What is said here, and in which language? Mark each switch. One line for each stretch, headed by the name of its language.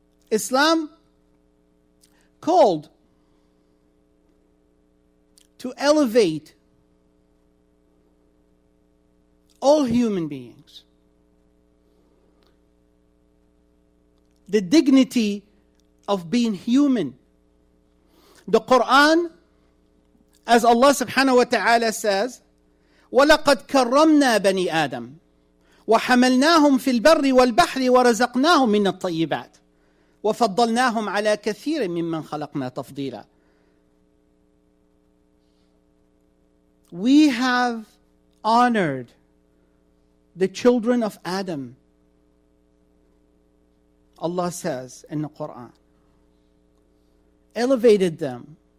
English: Islam called to elevate all human beings. The dignity of being human. The Quran, as Allah subhanahu wa ta'ala says,
Arabic: وَلَقَدْ كَرَّمْنَا بَنِي آدَمْ وَحَمَلْنَاهُمْ فِي الْبَرِّ وَالْبَحْرِ وَرَزَقْنَاهُمْ مِنَ الطَّيِّبَاتِ وَفَضَّلْنَاهُمْ عَلَى كَثِيرٍ مِمَّنْ خَلَقْنَا تَفْضِيلًا.
English: We have honored the children of Adam, Allah says in the Quran, elevated them,